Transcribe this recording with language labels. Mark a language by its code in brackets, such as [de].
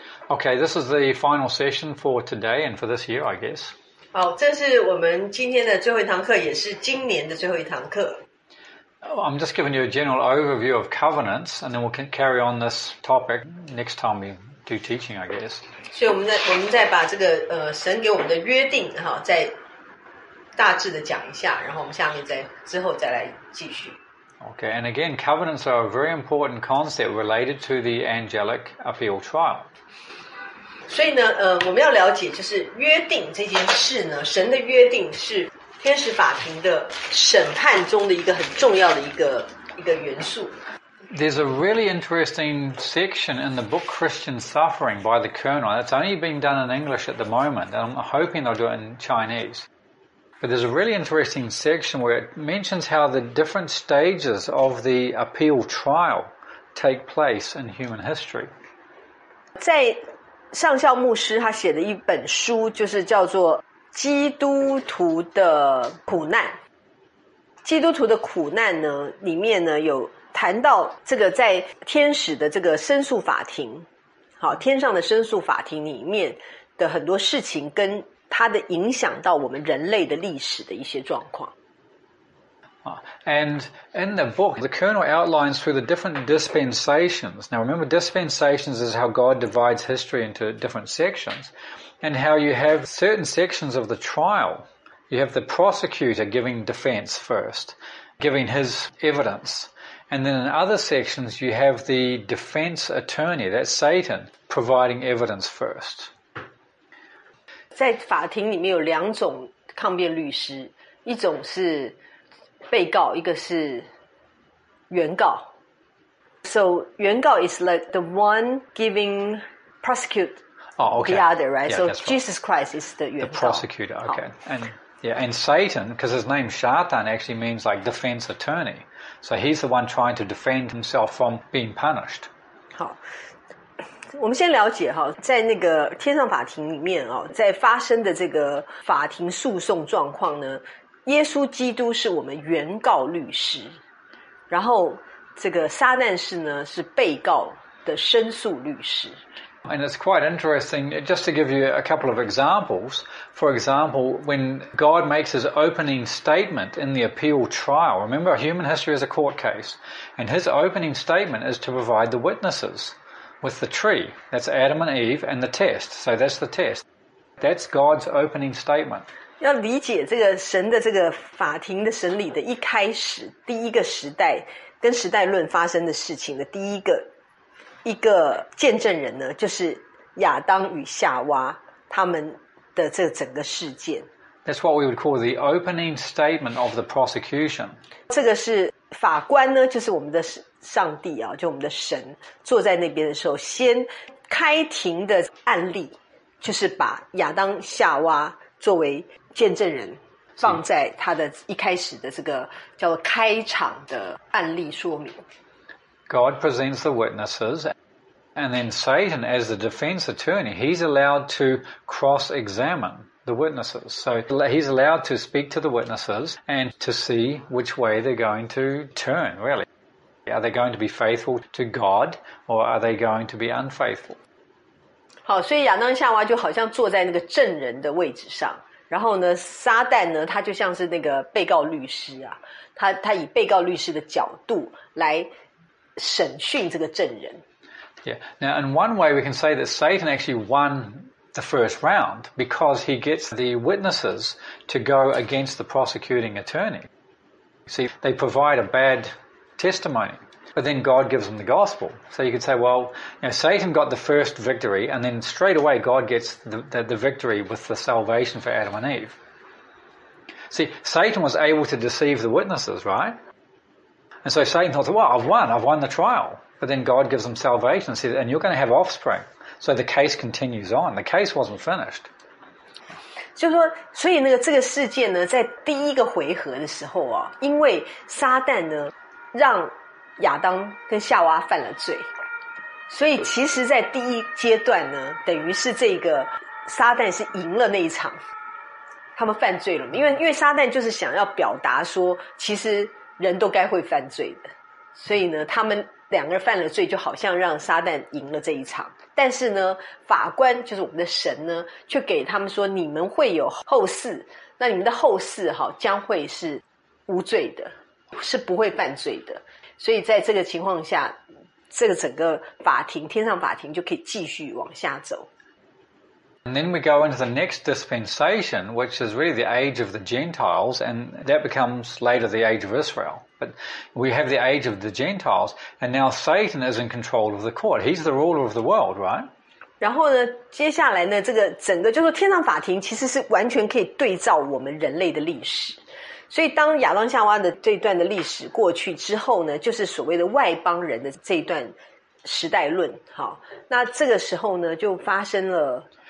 [en] Okay, this is the final session for today and for this year, I guess. [zh] 好，这是我们今天的最后一堂课，也是今年的最后一堂课。 [en] I'm just giving you a general overview of covenants, and then we can carry on this topic next time we do teaching, I guess. [zh] 所以我们再把这个神给我们的约定哈，再大致的讲一下，然后我们下面再之后再来继续。 [en] Okay, and again, covenants are a very important concept related to the angelic appeal trial. [zh] 所以呢，我们要了解就是约定这件事呢，神的约定是天使法庭的审判中的一个很重要的一个元素。 [en] There's a really interesting section in the book Christian Suffering by the Colonel. That's only being done in English at the moment. I'm hoping they'll do it in Chinese. But there's a really interesting section where it mentions how the different stages of the appeal trial take place in human history. [zh] 在上校牧师他写的一本书就是叫做《基督徒的苦难》。基督徒的苦难呢，里面呢有谈到这个在天使的这个申诉法庭，好，天上的申诉法庭里面的很多事情跟它的影响到我们人类的历史的一些状况。 [en] And in the book, the Colonel outlines through the different dispensations. Now remember, dispensations is how God divides history into different sections, and how you have certain sections of the trial. You have the prosecutor giving defense first, giving his evidence. And then in other sections, you have the defense attorney, that's Satan, providing evidence first. [zh] 在法庭里面有两种抗辩律师，一种是被告，一个是原告。 [en] So, 原告 is like the one giving prosecute the other, right? Yeah, so, right. Jesus Christ is the 原告。 The prosecutor, okay. And Satan, because his name Shatan actually means like defense attorney. So, he's the one trying to defend himself from being punished. [zh] 好。我们先了解哈，在那个天上法庭里面哦，在发生的这个法庭诉讼状况呢，耶稣基督是我们原告律师，然后这个撒旦士呢是被告的申诉律师。 [en] And it's quite interesting, just to give you a couple of examples. For example, when God makes his opening statement in the appeal trial, remember, human history is a court case, and his opening statement is to provide the witnesses. With the tree, that's Adam and Eve, and the test. So that's the test. That's God's opening statement. [zh] 要理解这个神的这个法庭的审理的一开始，第一个时代跟时代论发生的事情的第一个见证人呢，就是亚当与夏娃他们的这整个事件。 [en] That's what we would call the opening statement of the prosecution. [zh] 这个是法官呢，就是我们的上帝啊，就我们的神坐在那边的时候，先开庭的案例，就是把亚当夏娃作为见证人，放在他的一开始的这个叫做开场的案例说明。 [en] God presents the witnesses, and then Satan, as the defense attorney, he's allowed to cross-examine the witnesses. So he's allowed to speak to the witnesses and to see which way they're going to turn, really. Are they going to be faithful to God, or are they going to be unfaithful? [zh] 好，所以亚当夏娃就好像坐在那个证人的位置上，然后呢，撒旦呢，他就像是那个被告律师啊，他以被告律师的角度来审讯这个证人。 [en] Yeah. Now, in one way, we can say that Satan actually won the first round because he gets the witnesses to go against the prosecuting attorney. See, they provide a bad. Testimony, but then God gives them the gospel. So you could say, well, you know, Satan got the first victory, and then straight away God gets the victory with the salvation for Adam and Eve. See, Satan was able to deceive the witnesses, right? And so Satan thought, well, I've won the trial. But then God gives them salvation, and said, and you're going to have offspring. So the case continues on. The case wasn't finished. [zh] 就说，所以那个这个事件呢，在第一个回合的时候啊，因为撒旦呢。让亚当跟夏娃犯了罪，所以其实在第一阶段呢，等于是这个撒旦是赢了那一场，他们犯罪了嘛，因为撒旦就是想要表达说，其实人都该会犯罪的，所以呢他们两个人犯了罪，就好像让撒旦赢了这一场。但是呢法官就是我们的神呢，却给他们说，你们会有后嗣，那你们的后嗣将会是无罪的，是不会犯罪的。所以在这个情况下，这个整个法庭，天上法庭就可以继续往下走。 [en] And then we go into the next dispensation, which is really the age of the Gentiles, and that becomes later the age of Israel. But we have the age of the Gentiles, and now Satan is in control of the court. He's the ruler of the world, right? [zh] 然后呢，接下来呢，这个整个就是天上法庭其实是完全可以对照我们人类的历史。所以当亚当夏娃的这段的历史过去之后呢，就是所谓的外邦人的这段时代论。好，那这个时候呢，就发生了。